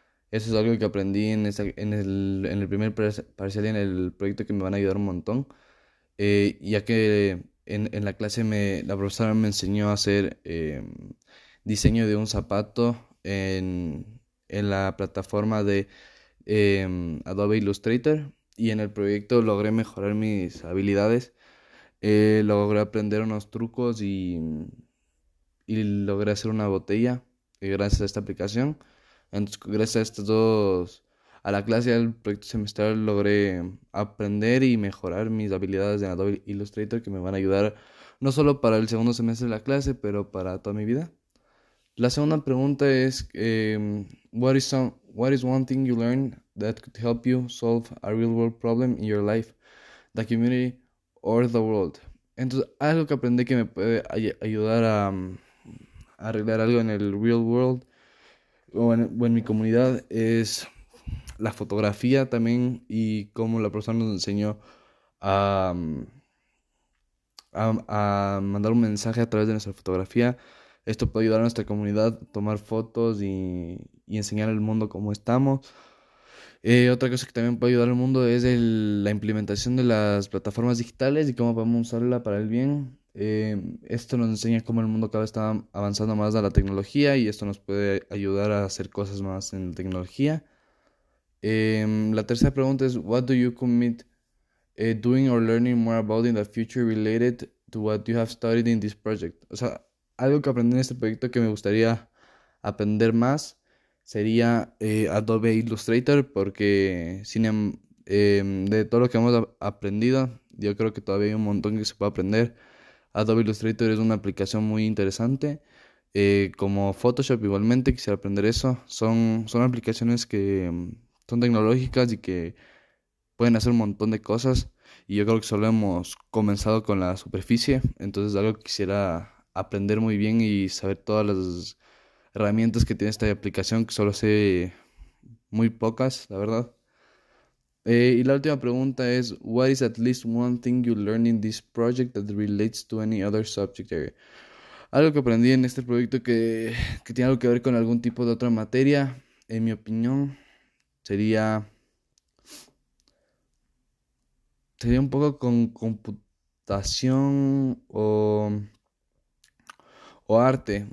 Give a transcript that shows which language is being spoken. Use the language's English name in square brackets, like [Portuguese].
[Spanish] Eso es algo que aprendí en el primer parcial y en el proyecto que me van a ayudar un montón, ya que en la clase la profesora me enseñó a hacer diseño de un zapato en la plataforma de Adobe Illustrator, y en el proyecto logré mejorar mis habilidades, logré aprender unos trucos y logré hacer una botella gracias a esta aplicación. Entonces, gracias a estos dos, a la clase y al proyecto semestral, logré aprender y mejorar mis habilidades de Adobe Illustrator, que me van a ayudar no solo para el segundo semestre de la clase, pero para toda mi vida. La segunda pregunta es, [English] what is one thing you learned that could help you solve a real world problem in your life, the community or the world? [Spanish] Entonces, algo que aprendí que me puede ayudar a arreglar algo en el [English] real world [Spanish] o en mi comunidad es la fotografía también, y cómo la profesora nos enseñó a mandar un mensaje a través de nuestra fotografía. Esto puede ayudar a nuestra comunidad a tomar fotos y enseñar al mundo cómo estamos. Otra cosa que también puede ayudar al mundo es la implementación de las plataformas digitales y cómo podemos usarla para el bien. Esto nos enseña cómo el mundo cada vez está avanzando más a la tecnología, y esto nos puede ayudar a hacer cosas más en tecnología. La tercera pregunta es, [English] what do you commit doing or learning more about in the future related to what you have studied in this project? [Spanish] O sea, algo que aprendí en este proyecto que me gustaría aprender más sería Adobe Illustrator, porque de todo lo que hemos aprendido, yo creo que todavía hay un montón que se puede aprender. Adobe Illustrator es una aplicación muy interesante, como Photoshop igualmente, quisiera aprender eso. Son aplicaciones que son tecnológicas y que pueden hacer un montón de cosas, y yo creo que solo hemos comenzado con la superficie. Entonces, algo que quisiera aprender muy bien y saber todas las herramientas que tiene esta aplicación, que solo sé muy pocas, la verdad. Y la última pregunta es, [English] what is at least one thing you learned in this project that relates to any other subject area? [Spanish] Algo que aprendí en este proyecto que tiene algo que ver con algún tipo de otra materia, en mi opinión, sería un poco con computación o arte.